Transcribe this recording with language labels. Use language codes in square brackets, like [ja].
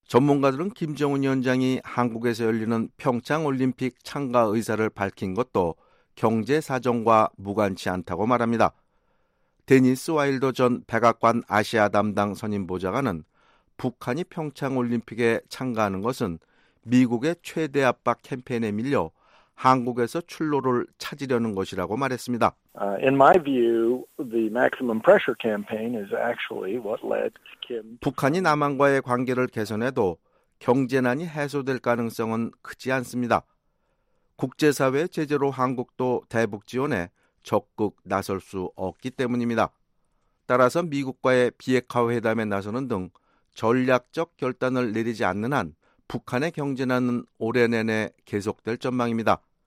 [ko] 전문가들은 김정은 위원장이 한국에서 열리는 평창올림픽 참가 의사를 밝힌 것도 경제 사정과 무관치 않다고 말합니다. 데니스 와일더 전 백악관 아시아 담당 선임 보좌관은 북한이 평창올림픽에 참가하는 것은 미국의 최대 압박 캠페인에 밀려 한국에서 출로를 찾으려는 것이라고 말했습니다. [en] In my view, the maximum pressure campaign is actually what led Kim. [ko] 북한이 남한과의 관계를 개선해도 경제난이 해소될 가능성은 크지 않습니다. 국제사회 제재로 한국도 대북 지원에 적극 나설 수 없기 때문입니다. 따라서 미국과의 비핵화 회담에 나서는 등 전략적 결단을 내리지 않는 한 북한의 경제난은 올해 내내 계속될 전망입니다.